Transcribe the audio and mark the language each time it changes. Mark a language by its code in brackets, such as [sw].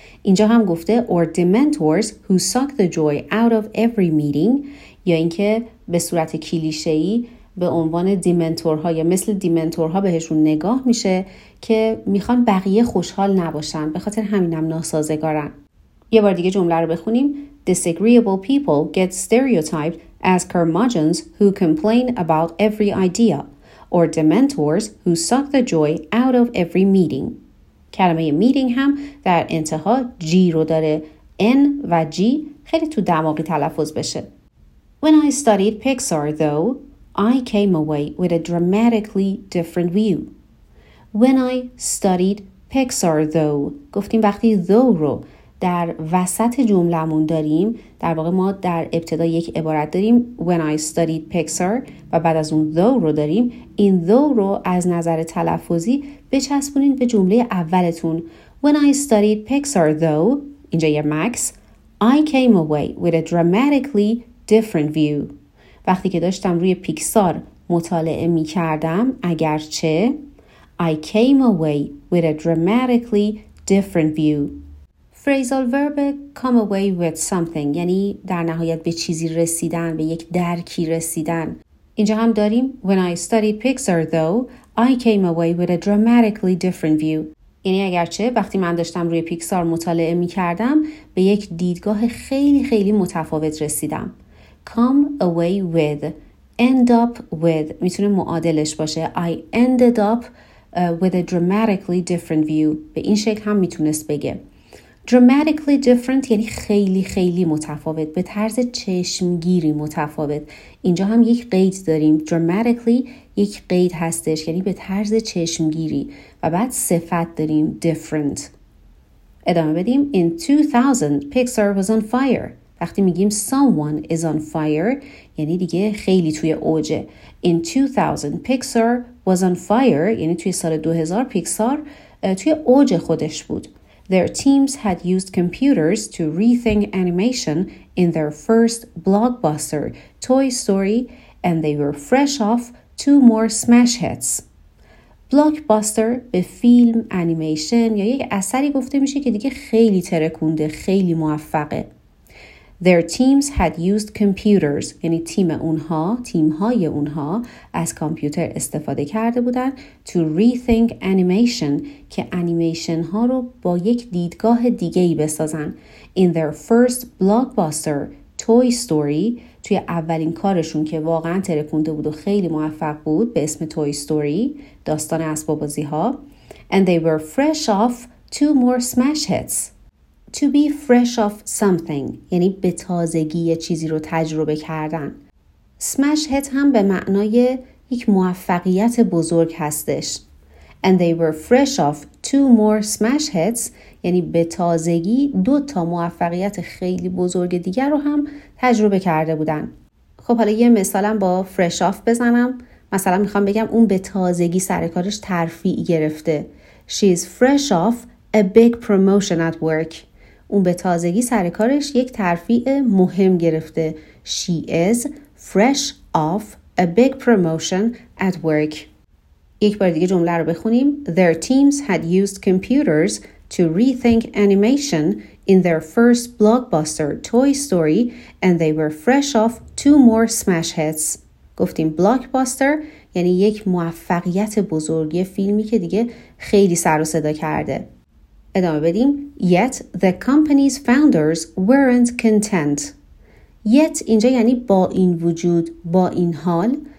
[fa] اینجا هم گفته [en] or dementors who suck the joy out of every meeting، [fa] یا اینکه به صورت کلیشه‌ای به عنوان دیمنتورها یا مثل دیمنتورها بهشون نگاه میشه که میخوان بقیه خوشحال نباشن، به خاطر همینم ناسازگارن. یه بار دیگه جمله رو بخونیم. [en] Disagreeable people get stereotyped as curmudgeons who complain about every idea or dementors who suck the joy out of every meeting. [fa] کلمه meeting هم در انتها G رو داره. N و G خیلی تو دماغی تلفظ بشه. [en] When I studied Pixar, though, I came away with a dramatically different view. When I studied Pixar, though, [fa] گفتیم وقتی though رو در وسط جملمون داریم، در واقع ما در ابتدا یک عبارت داریم [en] When I studied Pixar [fa] و بعد از اون though رو داریم، این though رو از نظر تلفظی بچسبونین به جمله اولتون. [en] When I studied Pixar, though, [fa] اینجا یه مکس، [en] I came away with a dramatically different view. [fa] وقتی که داشتم روی پیکسار مطالعه می کردم، اگرچه [en] I came away with a dramatically different view. [fa] Phrasal verb come away with something یعنی در نهایت به چیزی رسیدن، به یک درکی رسیدن. اینجا هم داریم [en] When I studied Pixar though, I came away with a dramatically different view. [fa] یعنی اگرچه وقتی من داشتم روی پیکسار مطالعه می کردم، به یک دیدگاه خیلی خیلی متفاوت رسیدم. Come away with, end up with می تونه معادلش باشه. [en] I ended up with a dramatically different view. [fa] به این شکل هم می تونست بگه. Dramatically different یعنی خیلی خیلی متفاوت، به طرز چشمگیری متفاوت. اینجا هم یک قید داریم. Dramatically یک قید هستش، یعنی به طرز چشمگیری، و بعد صفت داریم different. ادامه بدیم. [en] In 2000 Pixar was on fire. [fa] وقتی میگیم someone is on fire یعنی دیگه خیلی توی اوجه. [en] In 2000 Pixar was on fire [fa] یعنی توی سال 2000 Pixar توی اوج خودش بود. [en] Their teams had used computers to rethink animation in their first blockbuster, Toy Story, and they were fresh off two more smash hits. [fa] Blockbuster به فیلم، انیمیشن یا یک اثری گفته میشه که دیگه خیلی ترکونده، خیلی موفقه. [en] Their teams had used computers, [fa] یعنی تیم‌های اونها از کامپیوتر استفاده کرده بودن [en] to rethink animation, [fa] که انیمیشن ها رو با یک دیدگاه دیگه ای بسازن. [en] In their first blockbuster, Toy Story, [fa] توی اولین کارشون که واقعا ترکونده بود و خیلی موفق بود به اسم Toy Story, داستان اسباب بازی ها. [en] And they were fresh off two more smash hits. [fa] To be fresh off something یعنی به تازگی چیزی رو تجربه کردن. Smash hit هم به معنای یک موفقیت بزرگ هستش. [en] And they were fresh off two more smash hits [fa] یعنی به تازگی دو تا موفقیت خیلی بزرگ دیگر رو هم تجربه کرده بودن. خب حالا یه مثالم با fresh off بزنم. مثلا میخوام بگم اون به تازگی سر کارش ترفیع گرفته. [en] She is fresh off a big promotion at work. [fa] اون به تازگی سر کارش یک ترفیع مهم گرفته. [en] She is fresh off a big promotion at work. [fa] یک بار دیگه جمله رو بخونیم. [en] Their teams had used computers to rethink animation in their first blockbuster Toy Story and they were fresh off two more smash hits. [fa] گفتیم blockbuster یعنی یک موفقیت بزرگ، یه فیلمی که دیگه خیلی سر و صدا کرده. ادامه بدیم. [en] Yet the company's founders weren't content. [fa] Yet اینجا یعنی با این وجود، با این حال.